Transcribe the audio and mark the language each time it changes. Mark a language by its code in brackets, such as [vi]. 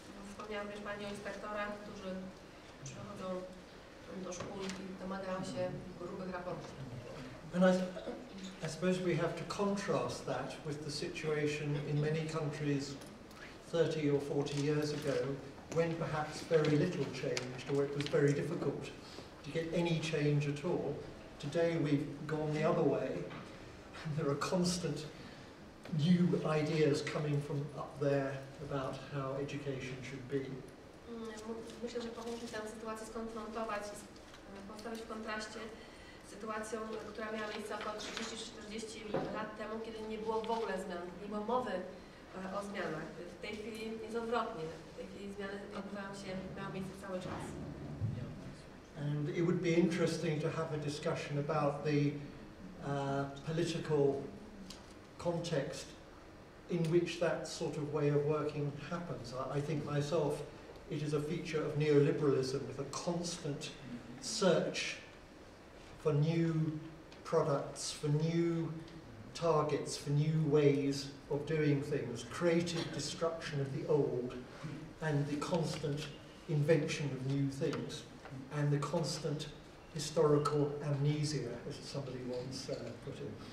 [pl] Wspomniałam też Pani o inspektorach, którzy przychodzą do szkół i domagają się grubych raportów. [en] I suppose we have to contrast that with the situation in many countries 30 or 40 years ago, when perhaps very little changed or it was very difficult to get any change at all. Today we've gone the other way, and there are constant new ideas coming from up there about how education should be. [pl] Myślę, że powinniśmy tę sytuację skonfrontować, postawić w kontraście z sytuacją, która miała miejsce około 30-40 lat temu, kiedy nie było w ogóle zmian, nie było mowy o zmianach. W tej chwili jest odwrotnie. W tej chwili zmiany odbywają się, miały miejsce cały czas. [en] And it would be interesting to have a discussion about the political context in which that sort of way of working happens. I think myself, it is a feature of neoliberalism with a constant search for new products, for new targets, for new ways of doing things, creative destruction of the old, and the constant invention of new things, and the constant historical amnesia, as somebody once put it.